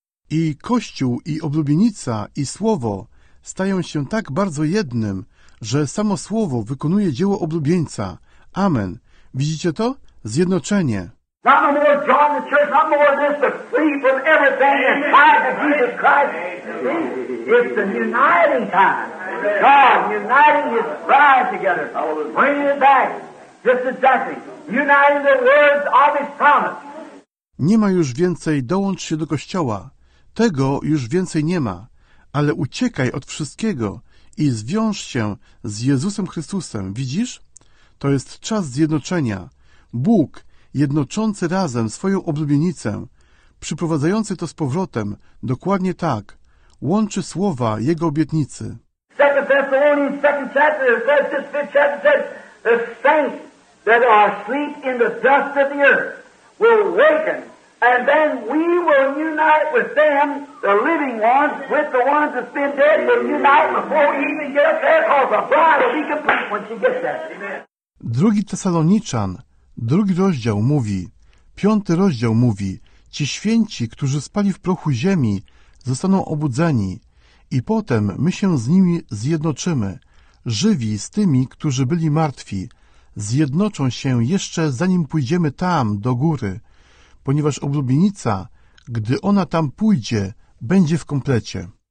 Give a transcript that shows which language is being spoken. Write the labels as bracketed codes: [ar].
[pl] I Kościół, i oblubienica, i Słowo stają się tak bardzo jednym, że samo Słowo wykonuje dzieło oblubieńca. Amen. Widzicie to? Zjednoczenie. [en] Not no more join the church, not more this, but free from everything and tied to Jesus Christ. It's the uniting time. God uniting his bride together, bringing it back, just exactly, uniting the words of his promise. [pl] Nie ma już więcej, dołącz się do Kościoła. Tego już więcej nie ma, ale uciekaj od wszystkiego i zwiąż się z Jezusem Chrystusem. Widzisz? To jest czas zjednoczenia. Bóg jednoczący razem swoją oblubienicę, przyprowadzający to z powrotem, dokładnie tak, łączy słowa Jego obietnicy. [en] 2 Thessalonians, 2 chapter, it says, this 5th chapter says, the saints that are asleep in the dust of the earth will waken, and then we will unite with them, the living ones, with the ones that's been dead, we'll unite before we even get up there, because the bride will be complete when she gets there. [pl] Drugi Tesaloniczan, drugi rozdział mówi, piąty rozdział mówi, ci święci, którzy spali w prochu ziemi, zostaną obudzeni i potem my się z nimi zjednoczymy, żywi z tymi, którzy byli martwi, zjednoczą się jeszcze zanim pójdziemy tam, do góry, ponieważ oblubienica, gdy ona tam pójdzie, będzie w komplecie.